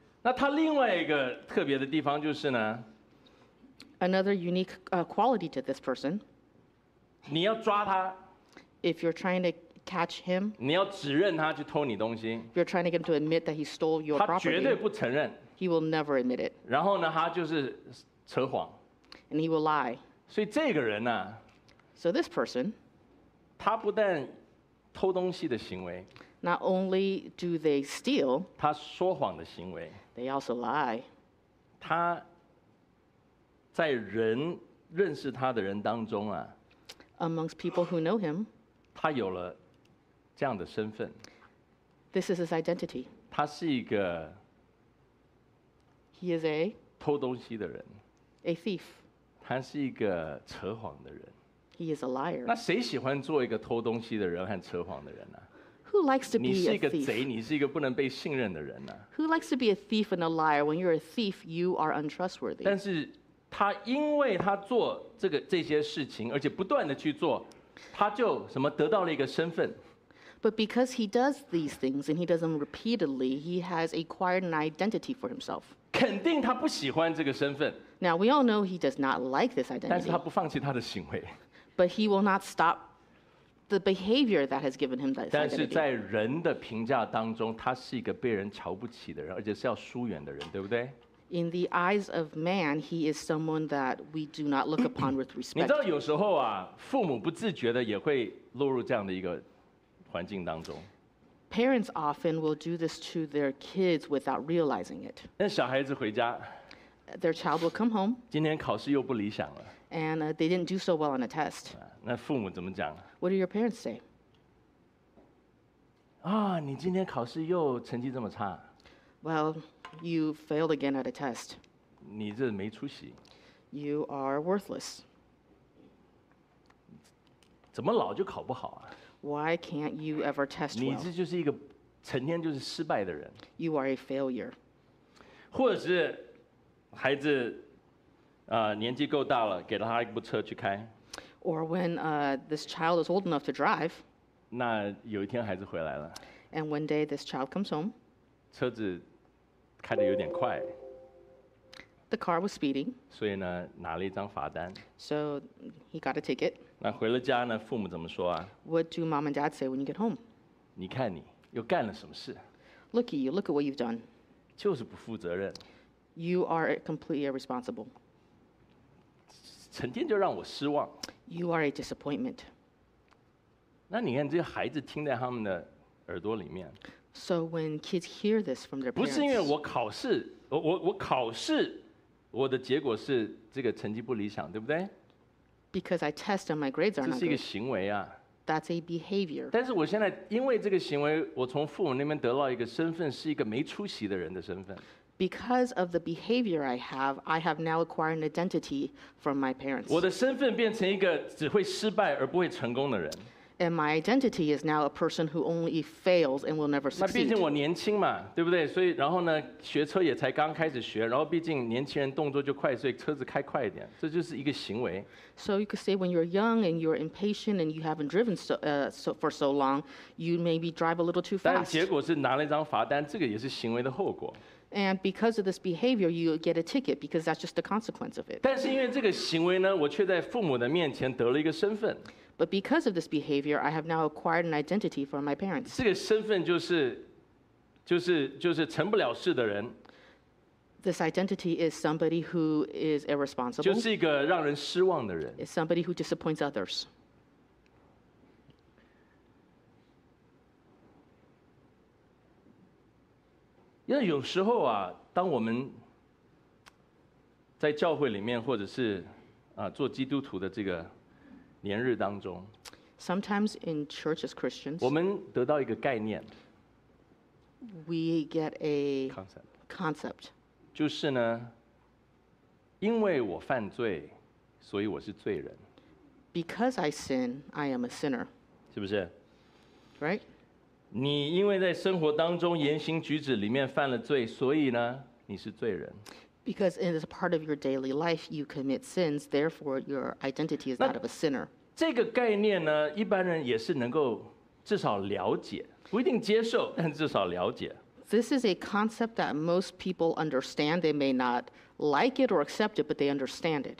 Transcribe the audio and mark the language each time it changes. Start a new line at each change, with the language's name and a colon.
Chinese: 那他另外一个特别的地方就是呢。
English: Another unique quality to this person.
Chinese: 你要抓他。
English: If you're trying to catch him.
Chinese: 你要指认他去偷你东西。
English: You're trying to get him to admit that he stole your property.
Chinese: 他绝对不承认。
English: He will never admit it.
Chinese: 然后呢，他就是扯谎。
English: And he will lie.
Chinese: 所以这个人呢、啊、
English: So this person.
Chinese: 他不但偷东西的行为。
English: Not only do they steal.
Chinese: 他说谎的行为。
English: They also lie.
Chinese: 他在人认识他的人当中啊
English: ，amongst people who know him，
Chinese: 他有了这样的身份。
English: This is his identity。
Chinese: 他是一个
English: ，He is a
Chinese: 偷东西的人
English: ，a thief。
Chinese: 他是一个扯谎的人
English: ，He is a liar。
Chinese: 那谁喜欢做一个偷东西的人和扯谎的人呢、啊、
English: ？Who likes to be a thief？
Chinese: 你是一个贼，你是一个不能被信任的人呢、啊、
English: ？Who likes to be a thief and a liar when you're a thief? You are untrustworthy。
Chinese: 但是他因为他做这些事情，而且不断的去做，他就什么得到了一个身份。
English: But because he does these things and he does them repeatedly, he has acquired an identity for himself.
Chinese: 肯定他不喜欢这个身份。
English: Now we all know he does not like this identity.
Chinese: 但是他不放弃他的行为。
English: But he will not stop the behavior that has given him that identity.
Chinese: 但是在人的评价当中，他是一个被人瞧不起的人，而且是要疏远的人，对不对？
English: In the eyes of man, he is someone that we do not look upon with respect.
Chinese: 你知道有时候啊，父母不自觉的也会落入这样的一个环境当中。
English: Parents often will do this to their kids without realizing it.
Chinese: 那小孩子回家。
English: Their child will come home.
Chinese: 今天考试又不理想了。
English: And they didn't do so well on a test.
Chinese: 那父母怎么讲？
English: What do your parents say?
Chinese: 啊，你今天考试又成绩这么差。
English: Well, you failed again at a test.
Chinese: 你这没出息。
English: You are worthless.
Chinese: 怎么老就考不好啊？
English: Why can't you ever test well?
Chinese: 你这就是一个成天就是失败的人。
English: You are a failure.
Chinese: 或者是孩子年纪够大了，给了他一部车去开。
English: Or when this child is old enough to drive.
Chinese: 那有一天孩子回来了。
English: And one day this child comes home.
Chinese: 车子开得有点快。
English: The car was speeding.
Chinese: 所以呢，拿了一张罚单。
English: So he got a ticket.
Chinese: 那回了家呢，父母怎么说啊？
English: What do mom and dad say when you get home?
Chinese: 你看你又干了什么事？
English: Look at you, look at what you've done.
Chinese: 就是不负责任。
English: You are completely irresponsible.
Chinese: 成天就让我失望。
English: You are a disappointment.
Chinese: 那你看这些孩子听在他们的耳朵里面。
English: So when kids hear this from their parents.
Chinese: 不是因为我考试，我考试，我的结果是这个成绩不理想，对不对？
English: Because I test and my grades are not good.
Chinese: 这是一个行为啊。
English: That's a behavior.
Chinese: 但是我现在因为这个行为，我从父母那边得到一个身份，是一个没出息的人的身份。
English: Because of the behavior I have now acquired an identity from my parents.
Chinese: 我的身份变成一个只会失败而不会成功的人。
English: And my identity is now a person who only fails and will never succeed.
Chinese: 那毕竟我年轻嘛，对不对？所以然后呢，学车也才刚开始学，然后毕竟年轻人动作就快，所以车子开快一点，这就是一个行为。
English: So you could say when you're young and you're impatient and you haven't driven for so long, you maybe drive a little too fast.
Chinese: 但结果是拿了一张罚单，这个也是行为的后果。
English: And because of this behavior, you get a ticket because that's just the consequence of it.
Chinese: 但是因为这个行为呢，我却在父母的面前得了一个身份。
English: But because of this behavior, I have now acquired an identity from my parents.
Chinese: 这个身份就是成不了事的人。
English: This identity is somebody who is irresponsible.
Chinese: 就是一个让人失望的人。
English: It's somebody who disappoints others.
Chinese: 因为有时候啊，当我们在教会里面，或者是做基督徒的这个年日当中，
English: Sometimes in church as Christians,
Chinese: 我们得到一个概念，
English: We get a concept.
Chinese: 就是呢，因为我犯罪，所以我是罪人。
English: Because I sin, I am a sinner.
Chinese: 是不是？
English: Right?
Chinese: 你因为在生活当中言行举止里面犯了罪，所以呢，你是罪人。
English: Because it is a part of your daily life, you commit sins, therefore your identity is that of a sinner.
Chinese: 这个概念呢，一般人也是能够至少了解，不一定接受，但至少了解。
English: This is a concept that most people understand. They may not like it or accept it, but they understand it.